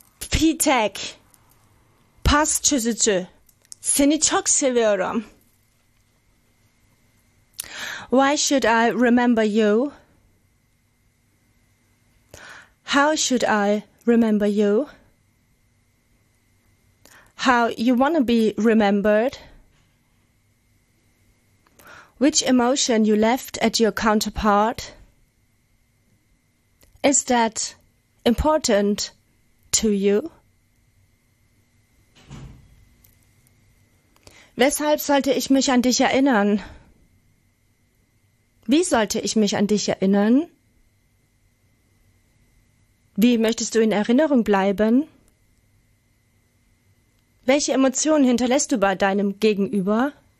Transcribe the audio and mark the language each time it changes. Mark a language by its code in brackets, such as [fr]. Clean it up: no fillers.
[tr] P-Tech, Pass Çözücü, seni çok seviyorum! [en] Why should I remember you? How should I remember you? How you want to be remembered? Which emotion you left at your counterpart? Is that important to you? [de] Weshalb sollte ich mich an dich erinnern? Wie sollte ich mich an dich erinnern? Wie möchtest du in Erinnerung bleiben? Welche Emotionen hinterlässt du bei deinem Gegenüber?